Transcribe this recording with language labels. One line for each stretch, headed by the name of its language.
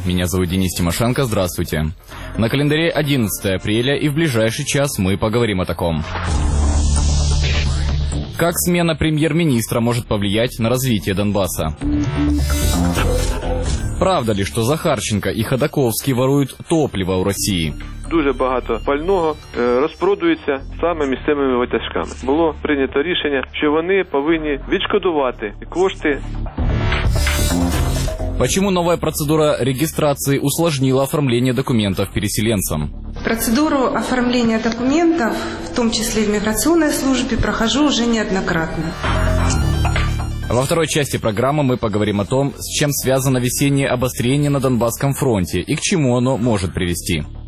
Russian: Меня зовут Денис Тимошенко. Здравствуйте. На календаре 11 апреля, и в ближайший час мы поговорим о таком. Как смена премьер-министра может повлиять на развитие Донбасса? Правда ли, что Захарченко и Ходаковский воруют топливо у России?
Ukrainian: Дуже багато пального розпродується саме місцевими витяжками. Було прийнято рішення, що вони повинні відшкодувати кошти.
Russian: Почему новая процедура регистрации усложнила оформление документов переселенцам? Процедуру оформления документов, в том числе в миграционной службе, прохожу уже неоднократно. Во второй части программы мы поговорим о том, с чем связано весеннее обострение на Донбасском фронте и к чему оно может привести.